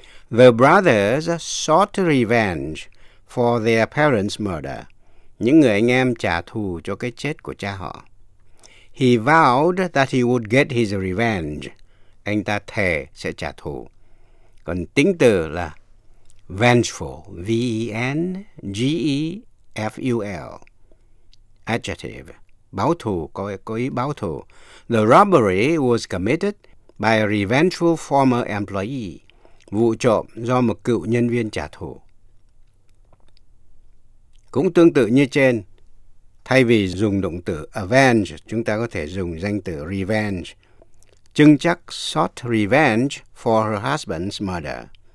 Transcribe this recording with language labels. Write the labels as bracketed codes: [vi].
[en] The brothers sought revenge for their parents' murder. [vi] Những người anh em trả thù cho cái chết của cha họ. [en] He vowed that he would get his revenge. [vi] Anh ta thề sẽ trả thù. Còn tính từ là vengeful, V-E-N-G-E-F-U-L. Adjective, báo thù, có ý báo thù. [en] The robbery was committed by a revengeful former employee. [vi] Vụ trộm do một cựu nhân viên trả thù. Cũng tương tự như trên, thay vì dùng động từ avenge, chúng ta có thể dùng danh từ revenge. [en] Trưng Trắc sought revenge for her husband's murder.